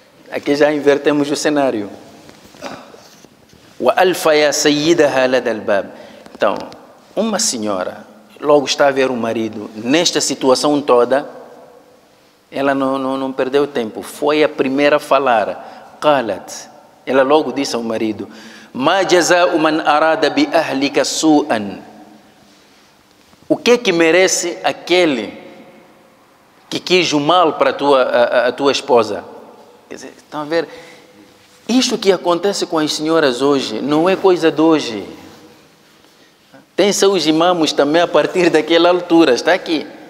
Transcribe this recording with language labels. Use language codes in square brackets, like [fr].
[pt] Aqui já invertemos o cenário. [ar] وَأَلْفَيَا سَيِّدَهَا لَدَ الْبَابِ. [pt] Então, uma senhora, logo está a ver o marido, nesta situação toda, ela não perdeu tempo. Foi a primeira a falar. [ar] قَالَتْ. [pt] Ela logo disse ao marido, [ar] مَا جَزَاءُ مَنْ أَرَادَ بِأَهْلِكَ سُوءًا. [pt] O que é que merece aquele que quis o mal para a tua esposa? Quer dizer, estão a ver? Isto que acontece com as senhoras hoje não é coisa de hoje. Tem-se os imamos também a partir daquela altura, está aqui.